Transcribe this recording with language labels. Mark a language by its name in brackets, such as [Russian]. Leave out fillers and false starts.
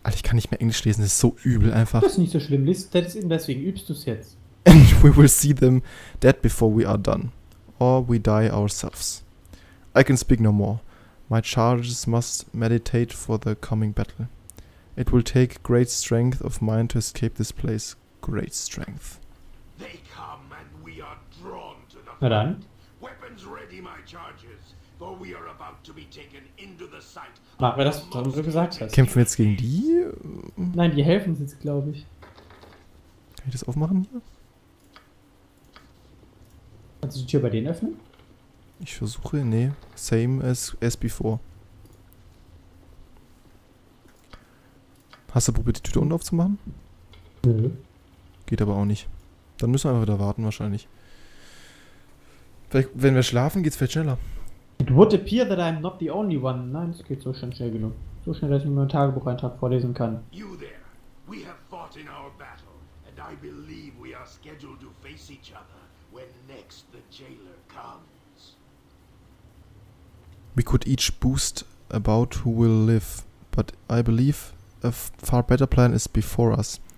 [German] Alter, ich kann nicht mehr Englisch lesen, das ist so übel einfach. Das ist nicht so schlimm, deswegen übst du es jetzt. [English] And we will see them dead before we are done. Or we die ourselves. I can speak no more. My charges must meditate for the coming battle. It will take great strength of mine to escape this place. Great strength. They come and we are drawn to the fight. Weapons ready, my charges. For we are about to be taken into the sight. [German] Mach, weil das, was du gesagt hast. Kämpfen wir jetzt gegen die? Nein, die helfen uns jetzt, glaube ich. Kann ich das aufmachen hier? Kannst du die Tür bei denen öffnen? Ich versuche, nee. [English] Same as before. [German] Hast du probiert, die Tüte unten aufzumachen? Nö. Geht aber auch nicht. Dann müssen wir einfach wieder warten, wahrscheinlich. Vielleicht, wenn wir schlafen, geht's vielleicht schneller. [English] It would appear that I'm not the only one. [German] Nein, es geht so schnell genug. So schnell, dass ich mir einen Tagebucheintrag vorlesen kann. [English] You there. We have fought in our battle. And I believe we are scheduled to face each other when next the jailer comes. We could each boost about who will live. But I believe a far better plan is before us.